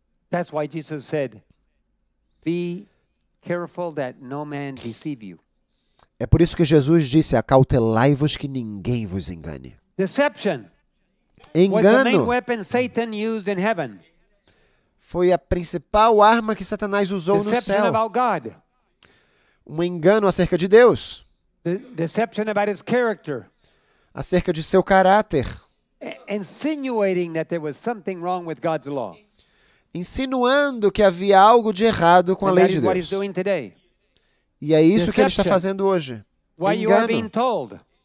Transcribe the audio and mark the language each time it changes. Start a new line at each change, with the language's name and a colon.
English: That's why Jesus said, "Be careful that no man deceive you."
Portuguese: É por isso que Jesus disse, "Acautelai-vos que ninguém vos engane."
English: Deception.
Portuguese: Engano.
English: Was the main weapon Satan used in heaven.
Portuguese: Foi a principal arma que Satanás usou
English: deception
Portuguese: no céu.
English: Deception about God.
Portuguese: Um engano acerca de Deus.
English: Deception about his character.
Portuguese: Acerca de seu caráter.
English: Insinuating that there was something wrong with God's law.
Portuguese: Insinuando que havia algo de errado com a lei de Deus. E é isso que ele está fazendo hoje. Engano.